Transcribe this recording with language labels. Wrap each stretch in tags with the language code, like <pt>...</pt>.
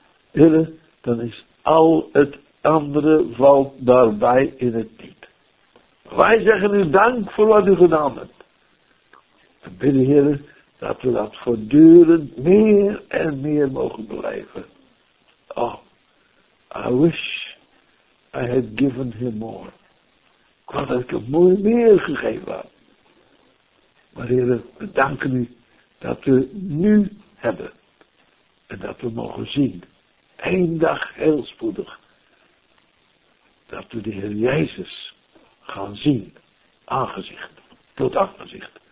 <nl>Heer, dan is al het andere valt daarbij in het niet. Wij zeggen u dank voor wat u gedaan hebt. We bidden, Heer, dat we dat voortdurend meer en meer mogen beleven.</nl> <en>Oh, I wish I had given him more.</en> <nl>Ik wou dat ik hem mooi meer gegeven had. Maar Heer, we danken u dat we nu hebben. En dat we mogen zien, één dag heel spoedig, dat we de Heer Jezus gaan zien, aangezicht tot aangezicht.</nl>